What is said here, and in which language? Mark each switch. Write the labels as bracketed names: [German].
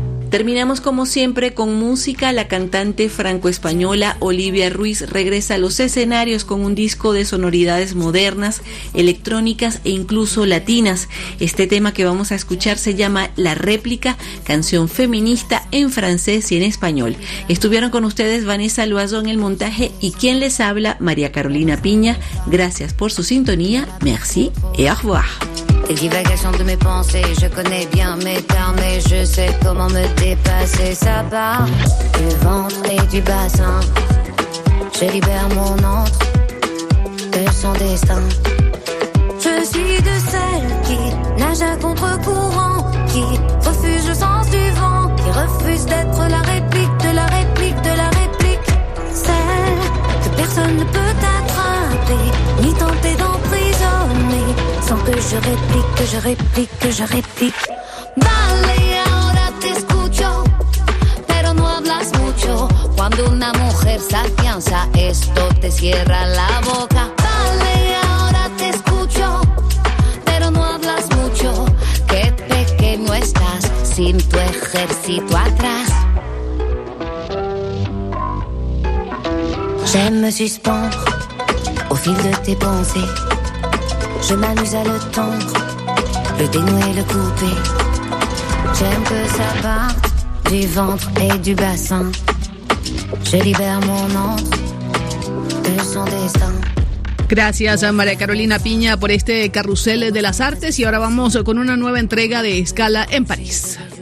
[Spanish] Terminamos como siempre con música. La cantante franco-española Olivia Ruiz regresa a los escenarios con un disco de sonoridades modernas, electrónicas e incluso latinas. Este tema que vamos a escuchar se llama La Réplica, canción feminista en francés y en español. Estuvieron con ustedes Vanessa Loazón en el montaje y quien les habla, María Carolina Piña. Gracias por su sintonía. [French] Merci et au revoir. Divagation de mes pensées, je connais bien mes termes et je sais comment me dépasser. Ça part du ventre et du bassin, je libère mon antre de son destin. Je suis de celle qui nage à contre-courant, qui refuse le sens du vent, qui refuse d'être la réplique de la réplique de la réplique. Celle que personne ne peut attraper, ni tenter d'en. Sans que je réplique, que je réplique, que je réplique. [Spanish] Vale, ahora te escucho, pero no hablas mucho. Cuando una mujer se afianza, esto te cierra la boca. Vale, ahora te escucho, pero no hablas mucho. Qué pequeño estás sin tu ejército atrás. [French] J'aime suspendre au fil de tes pensées. Je m'amuse à le tendre, le dénouer, le couper. J'aime que ça parte du ventre et du bassin. Je libère mon antre de son destin. [Spanish] Gracias a María Carolina Piña por este carrusel de las artes y ahora vamos con una nueva entrega de Escala en París.